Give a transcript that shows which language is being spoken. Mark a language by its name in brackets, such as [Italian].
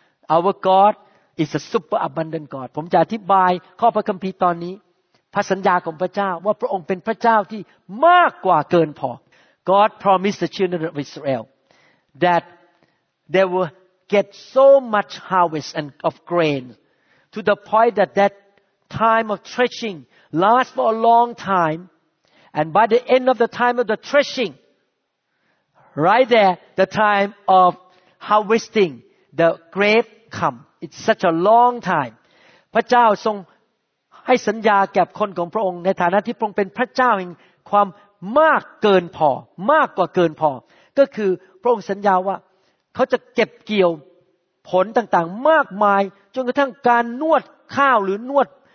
[English] Our God is a super abundant God. [Thai] ผมจะอธิบายข้อพระคัมภีร์ตอนนี้พระสัญญาของพระเจ้าว่าพระองค์เป็นพระเจ้าที่มากกว่าเกินพอ [English] God promised the children of IsraelThat they will get so much harvest and of grain to the point that that time of threshing lasts for a long time. And by the end of the time of the threshing, right there, the time of harvesting, the grape come. It's such a long time. [Thai] พระเจ้าทรงให้สัญญาแก่คนของพระองค์ในฐานะที่พระองค์เป็นพระเจ้าแห่งความมากเกินพอมากกว่าเกินพอก็คือพระองค์สัญญาว่าเขาจะเก็บเกี่ยวผลต่างๆมากมายจนกระทั่งการนวดข้าวหรือนวด